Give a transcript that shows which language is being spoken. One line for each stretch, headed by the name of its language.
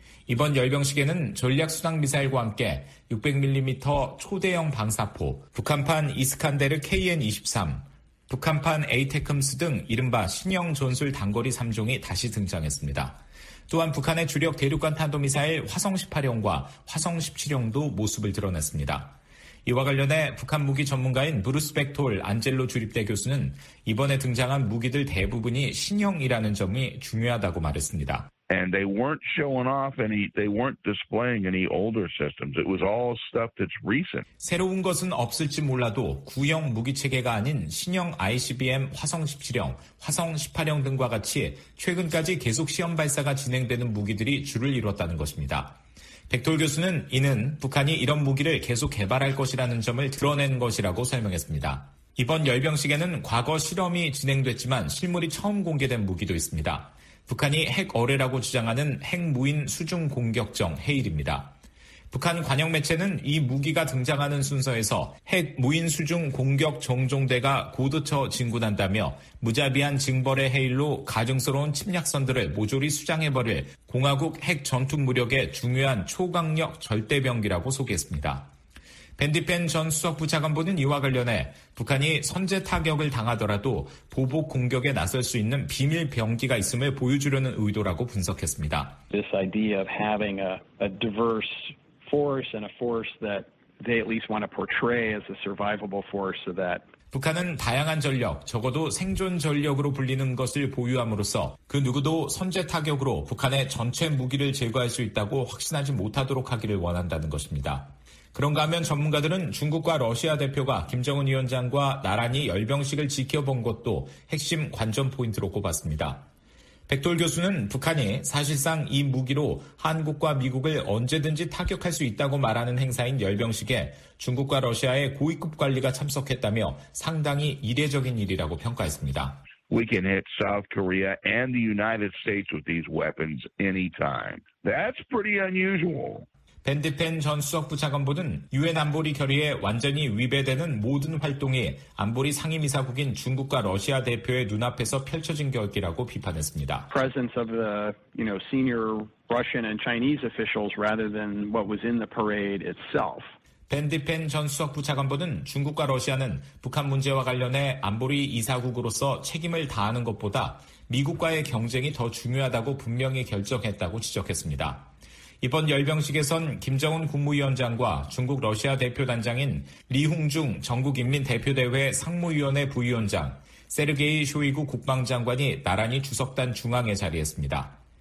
Korean: 이번 열병식에는 전략순항미사일과 함께 600mm 초대형 방사포, 북한판 이스칸데르 KN-23, 북한판 에이테큼스 등 이른바 신형 전술 단거리 3종이 다시 등장했습니다. 또한 북한의 주력 대륙간 탄도미사일 화성 18형과 화성 17형도 모습을 드러냈습니다. 이와 관련해 북한 무기 전문가인 브루스 백톨 안젤로 주립대 교수는 이번에 등장한 무기들 대부분이 신형이라는 점이 중요하다고 말했습니다.
English: And they weren't showing off any, they weren't displaying any older systems. It was all stuff that's recent.
Korean: 새로운 것은 없을지 몰라도 구형 무기체계가 아닌 신형 ICBM 화성 17형, 화성 18형 등과 같이 최근까지 계속 시험 발사가 진행되는 무기들이 줄을 이뤘다는 것입니다. 백돌 교수는 이는 북한이 이런 무기를 계속 개발할 것이라는 점을 드러낸 것이라고 설명했습니다. 이번 열병식에는 과거 실험이 진행됐지만 실물이 처음 공개된 무기도 있습니다. 북한이 핵 어뢰라고 주장하는 핵무인 수중 공격정 헤일입니다. 북한 관영 매체는 이 무기가 등장하는 순서에서 핵무인 수중 공격 정종대가 고도처 진군한다며 무자비한 징벌의 헤일로 가증스러운 침략선들을 모조리 수장해버릴 공화국 핵 전투무력의 중요한 초강력 절대병기라고 소개했습니다. 밴디펜 전 수석부 차관보는 이와 관련해 북한이 선제 타격을 당하더라도 보복 공격에 나설 수 있는 비밀 병기가 있음을 보여주려는 의도라고 분석했습니다.
English: This idea of having a diverse force and a force that they at least want to portray as a survivable force so that
Korean: 북한은 다양한 전력, 적어도 생존 전력으로 불리는 것을 보유함으로써 그 누구도 선제 타격으로 북한의 전체 무기를 제거할 수 있다고 확신하지 못하도록 하기를 원한다는 것입니다. 그런가 하면 전문가들은 중국과 러시아 대표가 김정은 위원장과 나란히 열병식을 지켜본 것도 핵심 관전 포인트로 꼽았습니다. 백돌 교수는 북한이 사실상 이 무기로 한국과 미국을 언제든지 타격할 수 있다고 말하는 행사인 열병식에 중국과 러시아의 고위급 관리가 참석했다며 상당히 이례적인 일이라고 평가했습니다.
English: We can hit South Korea and the United States with these weapons anytime. That's pretty unusual.
Korean: 밴디펜 전 수석부 차관보는 유엔 안보리 결의에 완전히 위배되는 모든 활동이 안보리 상임이사국인 중국과 러시아 대표의 눈앞에서 펼쳐진 결기라고 비판했습니다.
English: Presence of the, you know, senior Russian and Chinese officials rather than what was in the parade itself.
Korean: 밴디펜 전 수석부 차관보는 중국과 러시아는 북한 문제와 관련해 안보리 이사국으로서 책임을 다하는 것보다 미국과의 경쟁이 더 중요하다고 분명히 결정했다고 지적했습니다. 이번 열병식에선 김정은 국무위원장과 중국 러시아 대표단장인 리홍중 전국인민대표대회 상무위원회 부위원장, 세르게이 쇼이구 국방장관이 나란히 주석단 중앙에 자리했습니다.